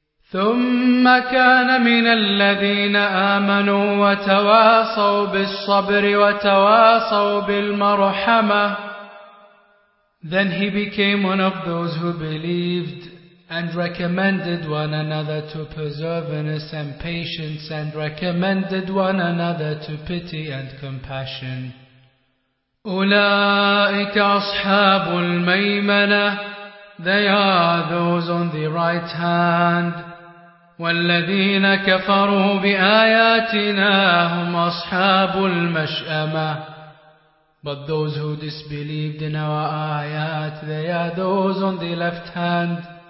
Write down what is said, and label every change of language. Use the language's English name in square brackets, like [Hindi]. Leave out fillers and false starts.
[Arabic] ثم كان من الذين آمنوا وتواصوا بالصبر وتواصوا بالمرحمة. [English] Then he became one of those who believed and recommended one another to perseverance and patience and recommended one another to pity and compassion. [Arabic] أولئك أصحاب الميمنة. [English] They are those on the right hand. [Arabic] والذين كفروا بآياتنا هم أصحاب المشأمة. [English] But those who disbelieved in our ayat, they are those on the left hand.